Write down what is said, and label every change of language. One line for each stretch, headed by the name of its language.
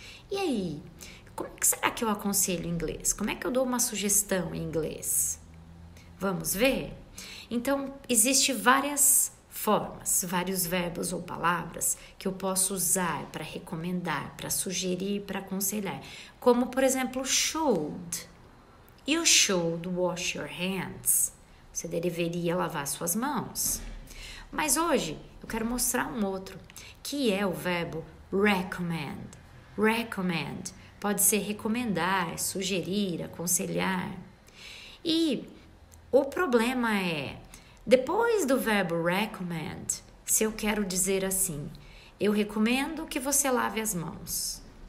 Portuguese: E aí, como é que será que eu aconselho inglês? Como é que eu dou uma sugestão em inglês? Vamos ver? Então, existem várias formas, vários verbos ou palavras que eu posso usar para recomendar, para sugerir, para aconselhar. Como, por exemplo, should.
English: You should wash your hands.
Portuguese: Você deveria lavar suas mãos. Mas hoje, eu quero mostrar um outro, que é o verbo recommend. Recommend, pode ser recomendar, sugerir, aconselhar. E o problema é, depois do verbo recommend, se eu quero dizer assim, eu recomendo que você lave as mãos.